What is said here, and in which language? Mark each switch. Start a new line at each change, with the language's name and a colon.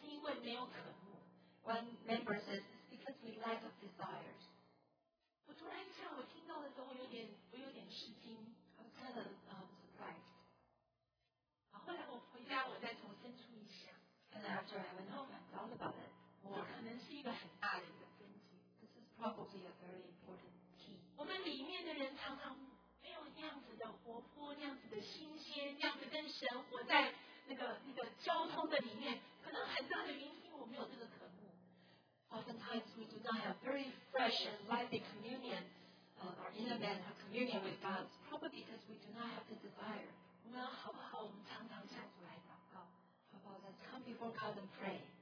Chinese: 那我们就检讨说是什么原因呢？那我们有一个团员呢，他就说是因为没有渴慕。One
English: member says it's because we lack of desires.
Chinese: 我突然一下，我听到的时候，我有点吃惊。I
English: was kind of surprised.
Chinese: 后来我回家，我再重新处理一下。And
English: after I went home, I thought about it.
Chinese: 我可能是一个很大的一个分歧。
English: This is probably a very important key.
Chinese: 我们里面的人常常。没有那样子的活泼，那样子的新鲜，那样子跟神活在那个交通的里面，可能很大的原因我没有这个渴慕。
English: Oftentimes we do not have very fresh and lively communion, our inner man, our communion with God, probably because we do not have the desire.
Chinese: 我们好不好？我们常常向主来祷告。
English: How about let's come before God and pray?